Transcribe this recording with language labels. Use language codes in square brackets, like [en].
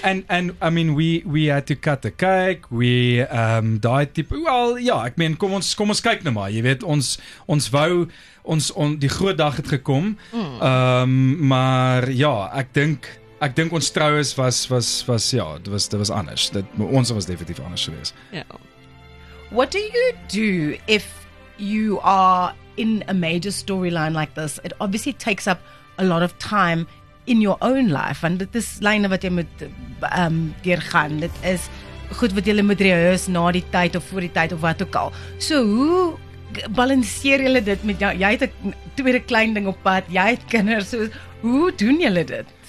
[en] And I mean we had to cut the cake. [af] Kom ons kyk nou maar. Jy weet ons wou die groot dag het gekom. Maar ja, ek dink ons troues was anders. Dit ons was definitief anders geweest. [en] Yeah. What do you do if you are in a major storyline like this? It obviously takes up a lot of time in your own life. And this line [af] wat jy moet deurgaan, dit is goed wat jy moet rehearse na die tyd of voor die tyd of wat ook al. So hoe balanseer jy dit met jou? Jy het 'n tweede klein ding op pad, jy het kinders. So hoe doen jy dit?